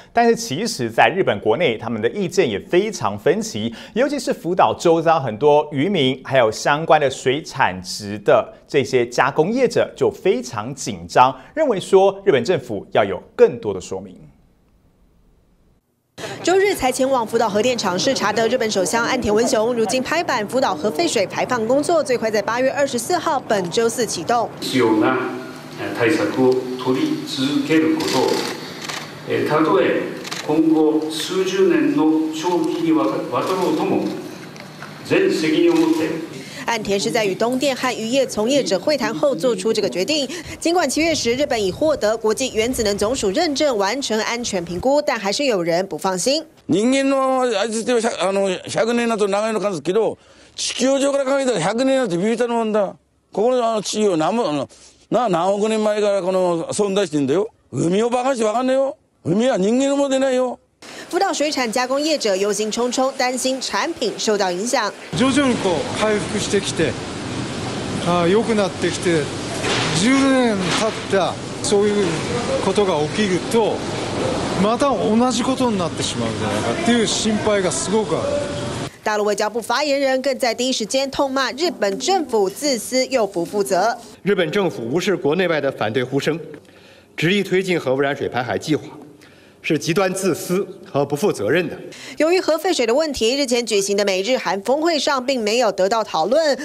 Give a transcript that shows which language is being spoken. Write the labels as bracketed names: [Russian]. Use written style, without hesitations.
[Chinese] 但是其实在日本国内，他们的意见也非常分歧，尤其是福岛周遭很多渔民还有相关的水产值的这些加工业者就非常紧张，认为说日本政府要有更多的说明。周日才前往福岛核电厂视察的日本首相岸田文雄，如今拍板福岛核废水排放工作最快在8月24号本周四启动， [Japanese] 必要な対策を取り続けることを、たとえ今後数十年の長期にわたろうとも、全責任を持って。 [Chinese] 岸田是在与东电和渔业从业者会谈后做出这个决定。尽管7月10日日本已获得国际原子能总署认证，完成安全评估，但还是有人不放心。 [Japanese] 人間の味では100年だと長いのかですけど、地球上から考えたら100年だとビビったのなんだ。ここの地球は何も。な何億年前からこの存在してんだよ。海をバカして分かんねえよ。海は人間のものでないよ。 [Chinese] 福岛水产加工业者忧心忡忡，担心产品受到影响。 [Japanese] 徐々にこう回復してきて、良くなってきて、10年経ったそういうことが起きると、また同じことになってしまうんじゃないかっていう心配がすごくある。 [Chinese] 大陆外交部发言人更在第一时间痛骂日本政府自私又不负责。日本政府无视国内外的反对呼声，执意推进核污染水排海计划，是极端自私和不负责任的。由于核废水的问题，日前举行的美日韩峰会上并没有得到讨论。